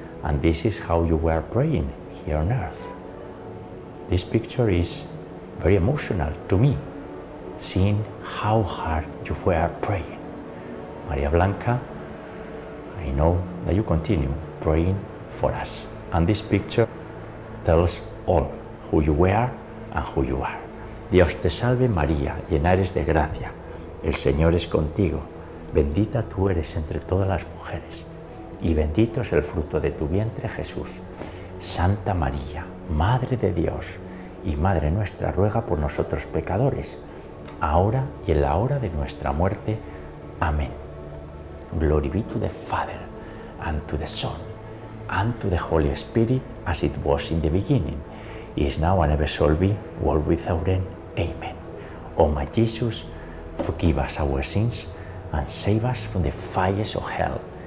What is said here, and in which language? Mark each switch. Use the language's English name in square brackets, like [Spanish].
[English] And this is how you were praying here on earth. This picture is very emotional to me, seeing how hard you were praying. Maria Blanca, I know that you continue praying for us. And this picture tells all who you were and who you are. [Spanish] Dios te salve María, llena eres de gracia, el Señor es contigo, bendita tú eres entre todas las mujeres, y bendito es el fruto de tu vientre Jesús. Santa María, Madre de Dios y Madre nuestra, ruega por nosotros pecadores, ahora y en la hora de nuestra muerte. Amén. [English] Glory be to the Father, and to the Son, and to the Holy Spirit, as it was in the beginning, is now and ever shall be, world without end. Amen. O my Jesus, forgive us our sins, and save us from the fires of hell.